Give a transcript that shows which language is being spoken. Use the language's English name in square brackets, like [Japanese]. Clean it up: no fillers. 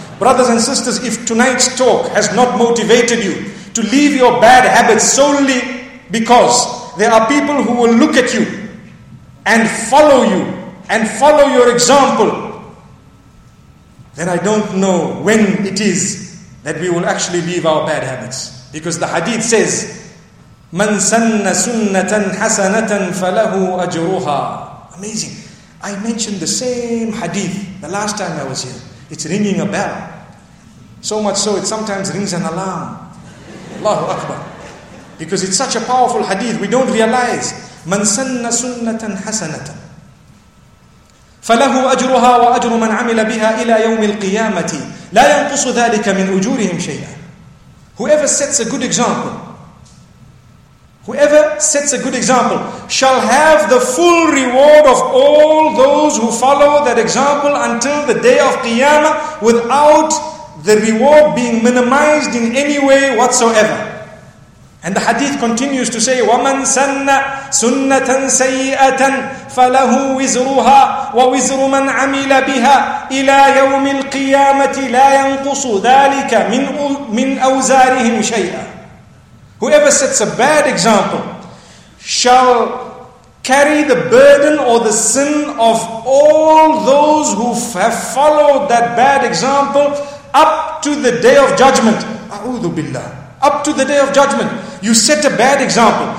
[English] Brothers and sisters, if tonight's talk has not motivated you to leave your bad habits solely because there are people who will look at you and follow your example, then I don't know when it is that we will actually leave our bad habits. Because the hadith says, [Arabic] مَنْ سَنَّ سُنَّةً حَسَنَةً فَلَهُ أَجْرُهَا. [English] Amazing. I mentioned the same hadith the last time I was here. It's ringing a bell. So much so, it sometimes rings an alarm. Allahu Akbar. Because it's such a powerful hadith, we don't realize. [Arabic] مَنْ سَنَّ سُنَّةً حَسَنَةً فَلَهُ أَجْرُهَا وَأَجْرُ مَنْ عَمِلَ بِهَا إِلَى يَوْمِ الْقِيَامَةِ لَا يَنْقُصُ ذَلِكَ مِنْ أُجُورِهِمْ شَيْئًا. [English] Whoever sets a good example, whoever sets a good example shall have the full reward of all those who follow that example until the day of Qiyamah without the reward being minimized in any way whatsoever. And the hadith continues to say, [Arabic] وَمَنْ سَنَّ سُنَّةً سَيِّئَةً فَلَهُ وِزْرُهَا وَوِزْرُ مَنْ عَمِلَ بِهَا إِلَى يَوْمِ الْقِيَامَةِ لَا يَنْقُصُ ذَلِكَ مِنْ أَوْزَارِهِمْ شَيْئًا. [English] Whoever sets a bad example shall carry the burden or the sin of all those who have followed that bad example up to the day of judgment. A'udhu billah. Up to the day of judgment. You set a bad example.